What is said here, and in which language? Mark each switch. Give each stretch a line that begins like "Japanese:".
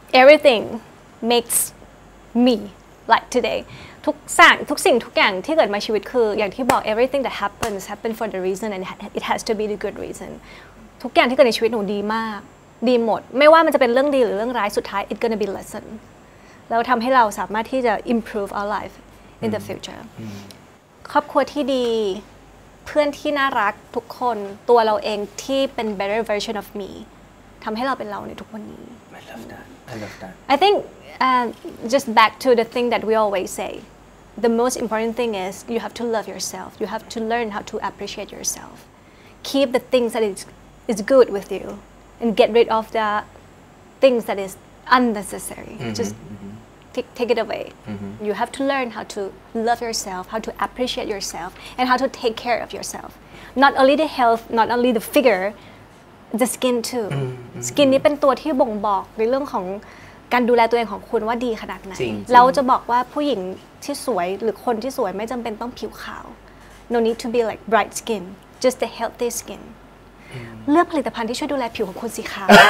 English: everything makes me like today
Thai: ทุกสิ่งทุกอย่างที่เกิดมาชีวิตคืออย่างที่บอก
English: everything that happens for the reason and it has to be the good reason
Thai: ทุกอย่างที่เกิดในชีวิตหนูดีมากดีหมดไม่ว่ามันจะเป็นเรื่องดีหรือเรื่องร้ายสุดท้าย
English: it's gonna be lesson
Thai: แล้วทำให้เราสามารถที่จะ
English: improve our life in the future
Thai: ครอบครัวที่ดีเพื่อนที่น่ารักทุกคนตัวเราเองที่เป็น
English: better version of me
Thai: ทำให้เราเป็นเราในทุกวันนี้
English: I love that I think just back to the thing that we always say the most important thing is you have to love yourself you have to learn how to appreciate yourself keep the things that is good with you and get rid of the things that is unnecessary. Mm-hmm. Just take it away. Mm-hmm. You have to learn how to love yourself, how to appreciate yourself, and how to take care of yourself. Not only the health, not only the figure, the skin too. Mm-hmm.
Thai: Skin นี้เป็นตัวที่บ่งบอกในเรื่องของการดูแลตัวเองของคุณว่าดีขนาดไหนเราจะบอกว่าผู้หญิงที่สวยหรือคนที่สวยไม่จำเป็นต้องผิวขาว
English: No need to be like bright skin, just a healthy skin.
Thai: เลือกผลิตภัณฑ์ที่ช่วยดูแลผิวของคุณสิคะ